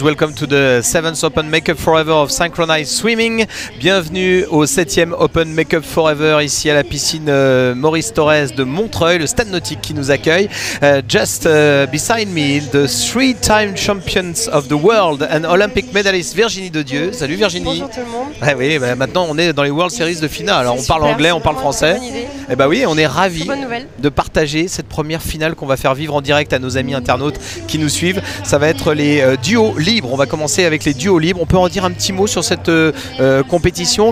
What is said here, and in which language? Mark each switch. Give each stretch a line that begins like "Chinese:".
English: Welcome to the 7th Open Makeup Forever of Synchronized Swimming.
French: Bienvenue au 7e Open Makeup Forever ici à la piscine Maurice Torres de Montreuil, le stade nautique qui nous accueille.
English: Just beside me, the three-time champions of the world and Olympic medalist Virginie Dedieu.
French: Salut Virginie. Bonjour tout le monde. Ah oui, bah maintenant on est dans les World Series de FINA. Alors on parle anglais, on parle français. Eh bah oui, on est ravis de partager cette première finale qu'on va faire vivre en direct à nos amis internautes qui nous suivent. Ça va être les duos libres. On va commencer avec les duos libres. On peut en dire un petit mot sur cette compétition.